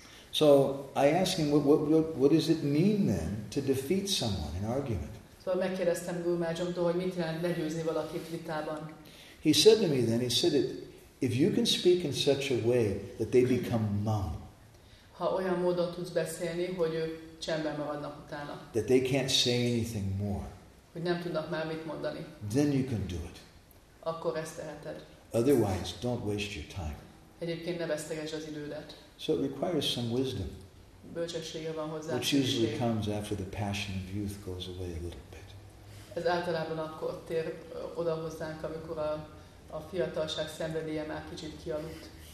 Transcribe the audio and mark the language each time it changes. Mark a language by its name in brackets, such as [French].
[English] So I ask him, what does it mean then to defeat someone in argument? [Hungarian] So megkérdeztem Guru Maharajomtól, hogy mit jelent legyőzni valakit vitában. [English] He said to me then, he said it, if you can speak in such a way that they become numb. [Hungarian] Ha olyan módon tudsz beszélni, hogy ők csendben maradnak utána. [English] That they can't say anything more. [Hungarian] Hogy nem tudnak már mit mondani. [English] Then you can do it. [Hungarian] Akkor ezt teheted. [English] Otherwise, don't waste your time. [Hungarian] Egyébként ne vesztegesd az idődet. [English] So it requires some wisdom. [Hungarian] Bölcsessége van hozzá. [English] Which usually comes after the passion of youth goes away a little bit. [Hungarian] Ez általában akkor tér oda hozzánk, amikor a fiatalság szenvedélye már kicsit kialudt.